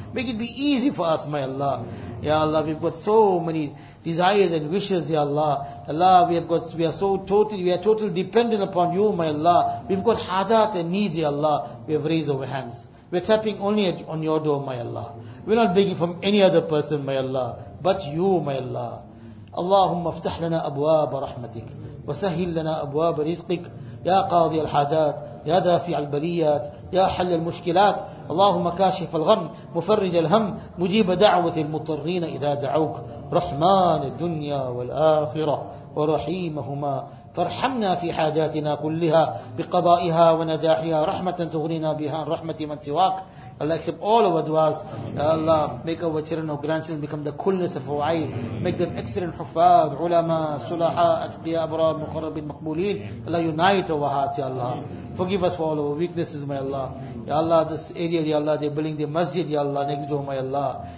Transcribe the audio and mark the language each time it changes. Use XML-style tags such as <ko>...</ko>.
<en>Make it be easy for us, my Allah. Ya Allah, we've got so many desires and wishes, Ya Allah. Allah, we are totally dependent upon you, my Allah. We've got hadat and needs, Ya Allah. We have raised our hands. We're tapping only on your door, my Allah. We're not begging from any other person, my Allah, but you, my Allah.</en> <ar>Allahumma aftah lana abwaab rahmatik wa sahhil lana abwaab rizqik ya qadi al hadat يا دافع البليات يا حل المشكلات اللهم كاشف الغم مفرج الهم مجيب دعوة المضطرين إذا دعوك رحمن الدنيا والآخرة ورحيمهما فارحمنا في حاجاتنا كلها بقضائها ونجاحها رحمة تغنينا بها عن رحمة من سواك.</ar> <en>Allah, accept all our du'as. Allah, make our children or grandchildren become the coolness of our eyes. Make them excellent hufad, ulama, sulaha, atqiya, abrar, mukharrabin, maqbulin. Allah, unite our hearts, ya Allah. Forgive us for all our weaknesses, my Allah. Ya Allah, this area, ya Allah, they're building the masjid, ya Allah, next door, my Allah.</en>